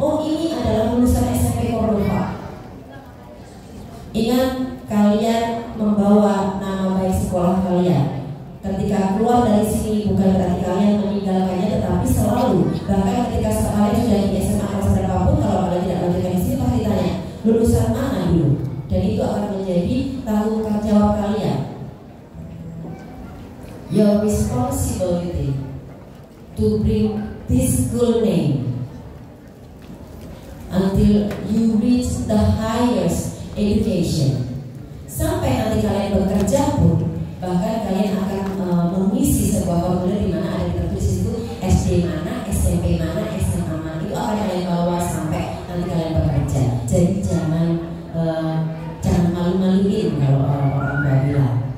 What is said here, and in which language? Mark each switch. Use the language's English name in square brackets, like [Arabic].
[Indonesian] Oh, ini adalah lulusan SMP Cordova. Ingat, kalian membawa nama baik sekolah kalian. Ketika keluar dari sini bukan berarti kalian meninggalkannya, tetapi selalu. Bahkan ketika sekalian sudah di SMA atau SMA pun, kalau kalian tidak lanjutkan di sini pasti tanya lulusan mana dulu, dan itu akan menjadi tanggung jawab kalian. [English] Your responsibility to bring this good name until you reach the highest education. [Indonesian] Sampai nanti kalian bekerja pun, bahkan kalian akan mengisi sebuah formulir di mana ada tertulis itu SD mana, SMP mana, SMA mana, itu akan kalian bawa sampai nanti kalian bekerja. Jadi jangan jangan malu-maluin kalau orang-orang bilang.